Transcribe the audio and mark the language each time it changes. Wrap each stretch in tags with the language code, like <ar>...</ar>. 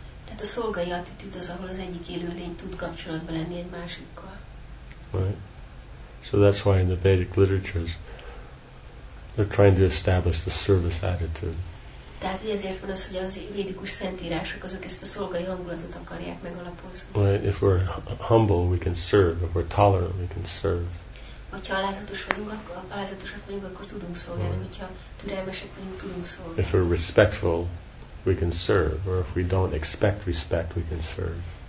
<hu>Tehát a szolgai attitűd az, ahol az egyik élő lény tud kapcsolatban lenni egy másikkal.</hu> <en>Right. So that's why in the Vedic literatures they're trying to establish the service attitude.</en> <hu>Tehát ugye ezért van az, hogy az védikus szentírások azok ezt a szolgai hangulatot akarják megalapozni.</hu> <en>Right. If we're humble, we can serve. If we're tolerant, we can serve.</en> <hu>Hogyha alázatosak vagyunk, akkor tudunk szolgálni.</hu> <en>Right.</en> <hu>Hogyha türelmesek vagyunk, tudunk szolgálni.</hu> <en>If we're respectful, we can serve. Or if we don't expect respect, we can serve.</en>